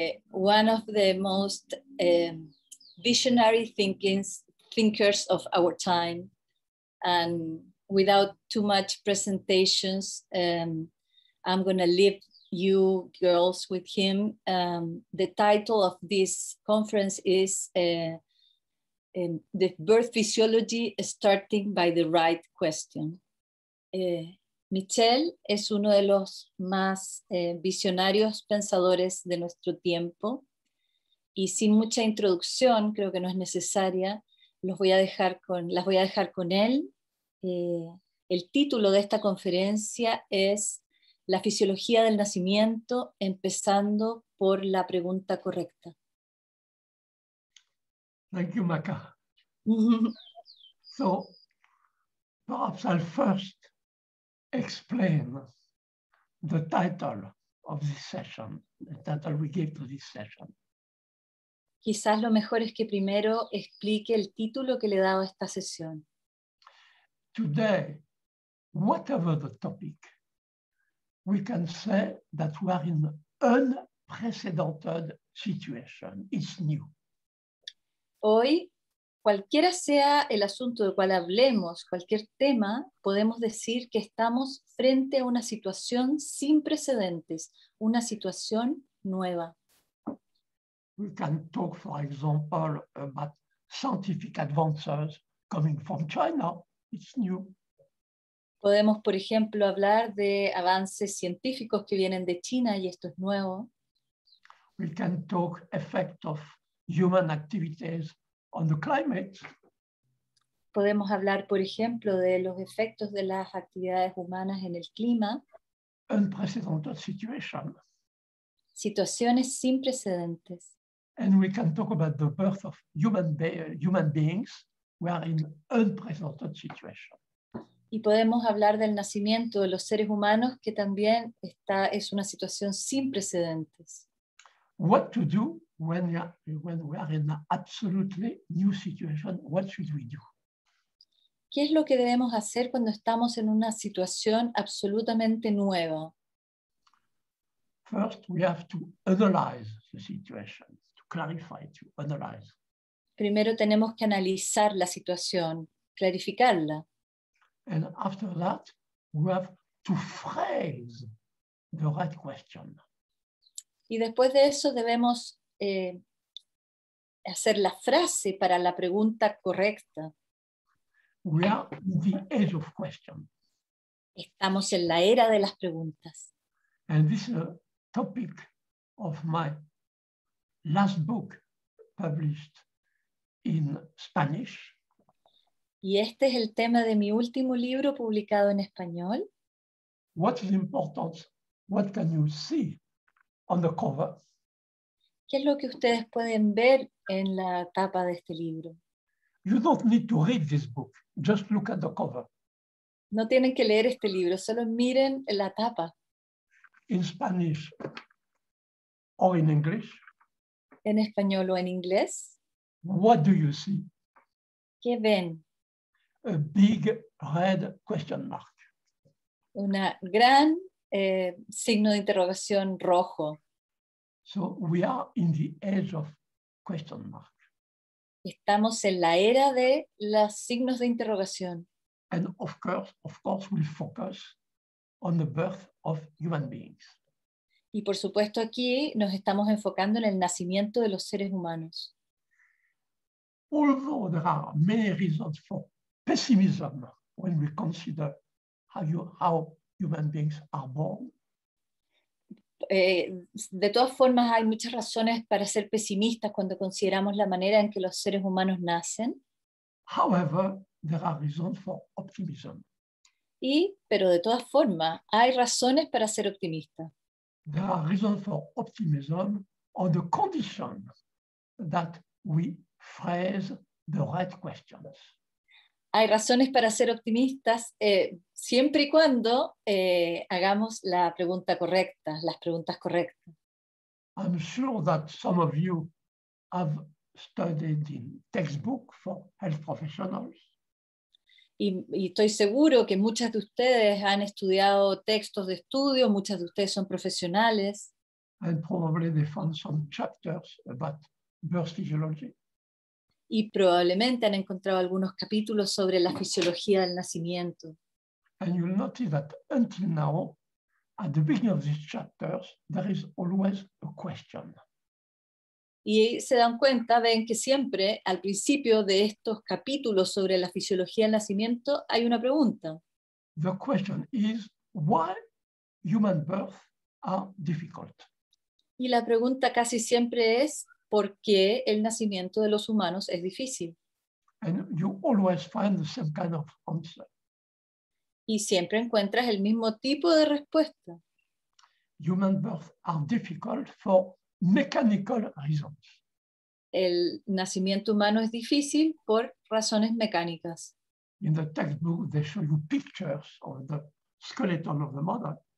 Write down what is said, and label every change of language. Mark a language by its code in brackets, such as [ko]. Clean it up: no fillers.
[en] One of the most visionary thinkers of our time, and without too much presentations, I'm going to leave you girls with him. The title of this conference is The Birth Physiology Starting by the Right Question. [es] Michel es uno de los más visionarios pensadores de nuestro tiempo. Y sin mucha introducción, creo que no es necesaria, las voy a dejar con él. El título de esta conferencia es La fisiología del nacimiento, empezando por la pregunta correcta. [en] Thank you, Maca. So, perhaps I'll first explain the title of this session, the title we gave to this session. [es] Quizás lo mejor es que primero explique el título que le he dado a esta sesión. [en] Today, whatever the topic, we can say that we are in unprecedented situation. It's new. [es] Hoy, cualquiera sea el asunto del cual hablemos, cualquier tema, podemos decir que estamos frente a una situación sin precedentes, una situación nueva. [en] We can talk, for example, about scientific advances coming from China. It's new. [es] Podemos, por ejemplo, hablar de avances científicos que vienen de China y esto es nuevo. [en] We can talk effect of human activities on the climate. [es] Podemos hablar, por ejemplo, de los efectos de las actividades humanas en el clima. [en] Unprecedented situation. [es] Situaciones sin precedentes. [en] And we can talk about the birth of human beings. We are in unprecedented situation. [es] Y podemos hablar del nacimiento de los seres humanos, que también es una situación sin precedentes. [en] What to do when we are in an absolutely new situation? What should we do? [es] ¿Qué es lo que debemos hacer cuando estamos en una situación absolutamente nueva? [en] First, we have to analyze the situation, to clarify, to analyze. [es] Primero tenemos que analizar la situación, clarificarla. [en] And after that, we have to phrase the right question. [es] Y después de eso debemos hacer la frase para la pregunta correcta. [en] We are in the age of questions. [es] Estamos en la era de las preguntas. [en] And this is a topic of my last book published in Spanish. [es] Y este es el tema de mi último libro publicado en español. [en] What is important? What can you see on the cover? [es] ¿Qué es lo que ustedes pueden ver en la tapa de este libro? [en] You don't need to read this book. Just look at the cover. [es] No tienen que leer este libro, solo miren la tapa. [en] In Spanish or in English? [es] En español o en inglés. [en] What do you see? [es] ¿Qué ven? [en] A big red question mark. [es] Una gran signo de interrogación rojo. [en] So we are in the age of question mark. [es] Estamos en la era de los signos de interrogación. [en] And of course, we'll focus on the birth of human beings. [es] Y por supuesto aquí nos estamos enfocando en el nacimiento de los seres humanos. [en] Although there are many reasons for pessimism when we consider how human beings are born. [es] De todas formas, hay muchas razones para ser pesimistas cuando consideramos la manera en que los seres humanos nacen. [en] However, there are reasons for optimism. [es] Pero de todas formas, hay razones para ser optimista. [en] There are reasons for optimism on the condition that we phrase the right questions. [es] Hay razones para ser optimistas siempre y cuando hagamos la pregunta correcta, las preguntas correctas. [en] I'm sure that some of you have studied in textbook for health professionals. [es] Y estoy seguro que muchas de ustedes han estudiado textos de estudio, muchas de ustedes son profesionales. [en] And probably they found some chapters about birth physiology. [es] Y probablemente han encontrado algunos capítulos sobre la fisiología del nacimiento. [en] And you'll notice that until now, at the beginning of these chapters, there is always a question. [es] Y se dan cuenta, ven que siempre al principio de estos capítulos sobre la fisiología del nacimiento hay una pregunta. [en] The question is why human births are difficult. [es] Y la pregunta casi siempre es ¿por qué el nacimiento de los humanos es difícil? [en] And you always find the same kind of answer. [es] Y siempre encuentras el mismo tipo de respuesta. [en] Human births are difficult for mechanical reasons. [es] El nacimiento humano es difícil por razones mecánicas. [en] In the textbook, they show you pictures of the skeleton of the mother.